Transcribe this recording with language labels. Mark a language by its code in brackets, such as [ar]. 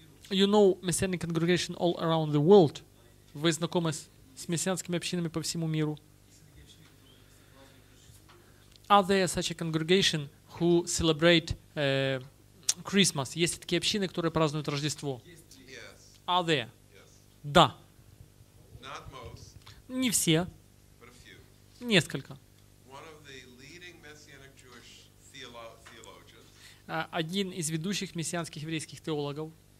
[en] You know Messianic congregation all around the world. [ru] Вы знакомы с мессианскими общинами по всему миру? [en] Are there such a congregation who celebrate Christmas? [ru] Есть такие общины, которые празднуют Рождество? [en] Yes. Are there? Yes. [ru] Да. [en] Not most, [ru] не все. [en] But a few. [ru] Несколько. [en] One of the leading messianic Jewish theologians. [ru] Один из ведущих мессианских еврейских теологов.